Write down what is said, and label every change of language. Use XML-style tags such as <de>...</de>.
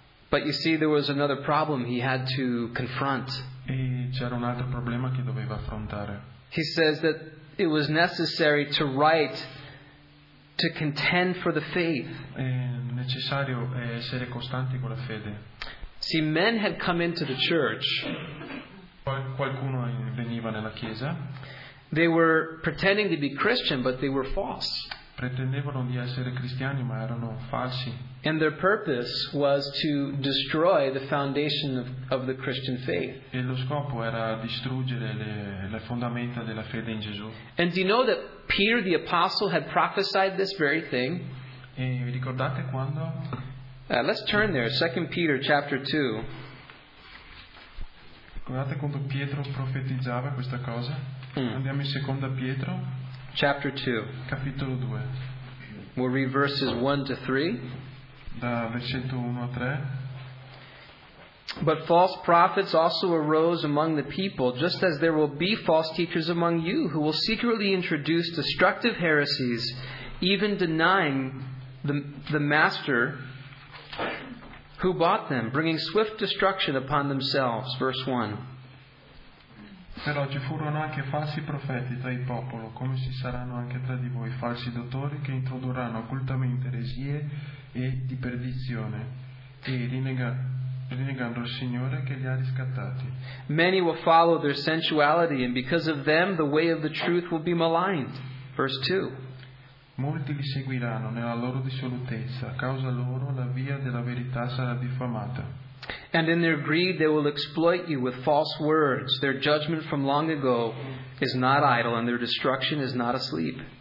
<en>But you see, there was another problem he had to confront.</en> <it>E c'era un altro problema che doveva affrontare.</it> <en>He says that it was necessary to write to contend for the faith.</en> <it>È necessario essere costanti con la fede.</it> <en>See, men had come into the church.</en> <it>Qualcuno veniva nella chiesa.</it> <en>They were pretending to be Christian, but they were false.</en> <it>Pretendevano di essere cristiani, ma erano falsi.</it> <en>And their purpose was to destroy the foundation of the Christian faith.</en> <it>E lo scopo era distruggere le fondamenta della fede in Gesù.</it> <en>And do you know that Peter the apostle had prophesied this very thing?</en> <it>E vi ricordate quando?</it> <en>Let's turn there, 2 Peter chapter 2.</en> <it>Guardate quando Pietro profetizzava questa cosa. Andiamo in 2 Pietro.</it> <en>Chapter 2.</en> <it>Capitolo 2.</it> <en>We'll read verses 1 to 3.</en> <it>Da versetto 1 a 3.</it> <en>But false prophets also arose among the people, just as there will be false teachers among you, who will secretly introduce destructive heresies, even denying the master who bought them, bringing swift destruction upon themselves. Verse 1.</en> <it>Però ci furono anche falsi profeti tra il popolo, come ci saranno anche tra di voi falsi dottori che introdurranno occultamente eresie e di perdizione e rinnegando il Signore che li ha riscattati.</it> <en>Many will follow their sensuality, and because of them the way of the truth will be maligned. Verse 2.</en> <it>Molti li seguiranno nella loro dissolutezza, a causa loro la via della verità sarà diffamata.</it> <en>And in their greed they will exploit you with false words. Their judgment from long ago is not idle, and their destruction is not asleep.</en>